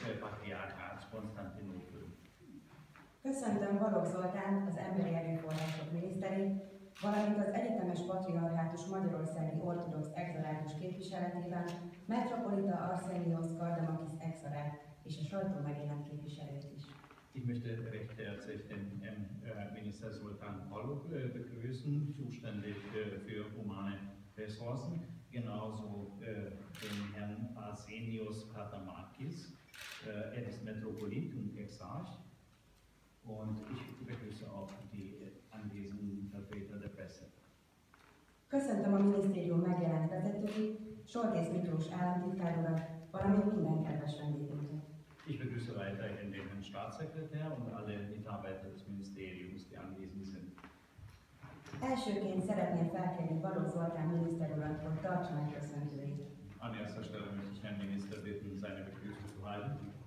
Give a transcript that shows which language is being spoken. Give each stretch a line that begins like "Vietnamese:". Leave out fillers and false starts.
Hungarian: patriárkát, Konstantinopül. Köszöntöm Barok Zoltán, az Emberi Erőforrások miniszterét, valamint az Egyetemes Patriarchátus Magyarországi Ortodox Exarchátus képviseletében Metropolita Arsenios Kardamakis Exarchát és a sajtó megjelent képviselőt is.
German: Ich möchte recht herzlich den Minister Zoltán Baluk begrüßen, zuständig für humane Ressourcen, genauso den Herrn Arsenios Kardamakis. Er ist Metropolit und Exarch. Und ich begrüße auch die anwesenden Vertreter der Presse.
Hungarian: Köszöntöm a minisztérium megjelent vezetőit, Soltész Miklós államtitkárat, valamint minden kedves vendégünket.
German: Ich begrüße weiterhin den Herrn Staatssekretär und alle Mitarbeiter des Ministeriums, die anwesend sind.
Hungarian: Elsőként szeretném felkérni Barok Zoltán miniszterurat, hogy tartsa meg köszöntőit.
German: An erster Stelle möchte ich Herrn Minister bitten, seine Begrüßung zu halten.